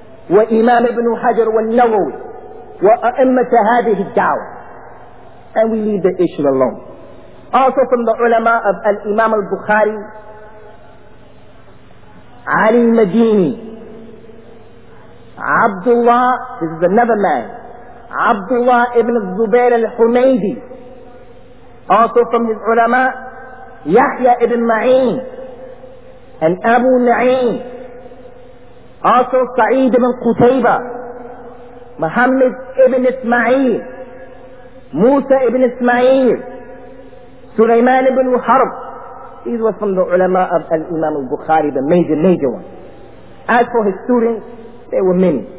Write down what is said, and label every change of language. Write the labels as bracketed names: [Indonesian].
[Arabic] وإمام ابن حجر والنووي وأئمة هذه الدعوة. [English] And we leave the issue alone. Also from the ulama of Al-Imam al-Bukhari, Ali al-Madini, Abdullah, this is another man, Abdullah ibn Zubair al-Humaydi. Also from his ulama, Yahya ibn Ma'in and Abu Na'im. Also Sa'id ibn Qutaybah, Muhammad ibn Ismail, [Arabic] موسى ابن اسماعيل، سليمان بن حرب. [English] These were from the ulama of Al-Imam al-Bukhari, the major one. As for his students, there were many.